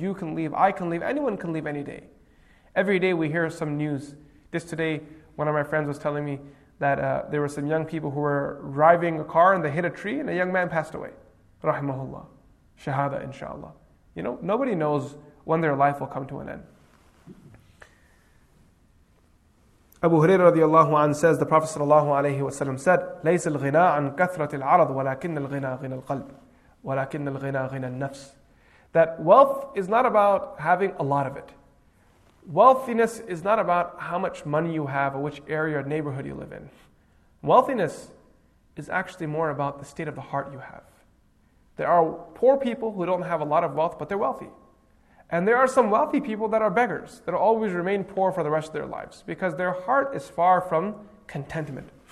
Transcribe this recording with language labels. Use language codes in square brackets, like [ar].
[en] You can leave, I can leave, anyone can leave any day. Every day we hear some news. Just today, one of my friends was telling me that there were some young people who were driving a car and they hit a tree and a young man passed away. Rahimahullah. Shahada, inshallah. You know, nobody knows when their life will come to an end. Abu Hurairah radiallahu anhu says, the Prophet sallallahu alayhi wa sallam said, [ar] لَيْسَ الْغِنَىٰ عَنْ كَثْرَةِ الْعَرَضِ وَلَكِنَّ الْغِنَىٰ غِنَى الْقَلْبِ وَلَكِنَّ الْغِنَىٰ غِنَى النَّفْسِ. [en] That wealth is not about having a lot of it. Wealthiness is not about how much money you have or which area or neighborhood you live in. Wealthiness is actually more about the state of the heart you have. There are poor people who don't have a lot of wealth, but they're wealthy. And there are some wealthy people that are beggars, that always remain poor for the rest of their lives, because their heart is far from contentment.